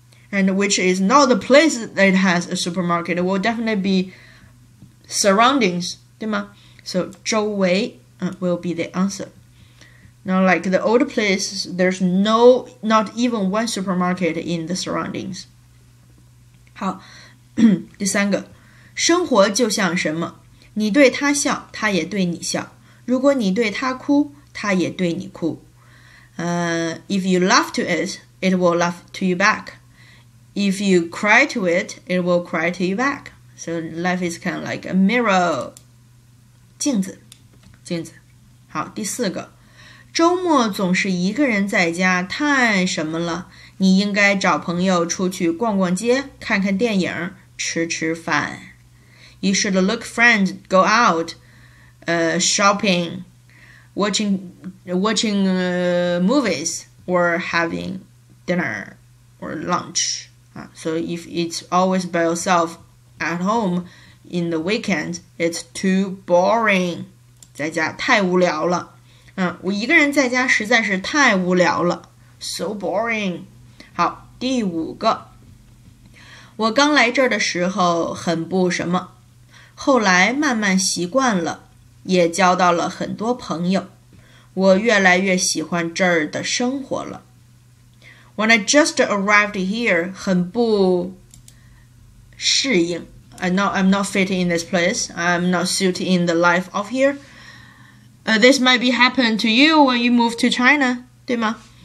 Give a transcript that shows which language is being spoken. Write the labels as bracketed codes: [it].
[en] And which is not the place that it has a supermarket. It will definitely be... surroundings, 对吗?So, 周围, will be the answer. Now, like the old place, there's not even one supermarket in the surroundings. [zh] 好, 第三个, 生活就像什么? 你对他笑,他也对你笑。如果你对他哭,他也对你哭。 [en] If you laugh to it, it will laugh to you back. If you cry to it, it will cry to you back. So life is kind of like a mirror. 镜子。 [zh] 好，第四个。周末总是一个人在家太什么了。你应该找朋友出去逛逛街看看电影吃吃饭。 [en] You should look friends, go out, shopping, watching movies, or having dinner or lunch. So if it's always by yourself,At home, in the weekend, it's too boring. [zh] 在家太无聊了。我一个人在家实在是太无聊了。 [en] So boring. [zh] 好，第五个。我刚来这儿的时候很不什么，后来慢慢习惯了，也交到了很多朋友。我越来越喜欢这儿的生活了。 [en] When I just arrived here, [zh] 很不适应 [en] I'm not fitting in this place. I'm not suited in the life of here. This might be happened to you when you move to China, [zh] 对吗？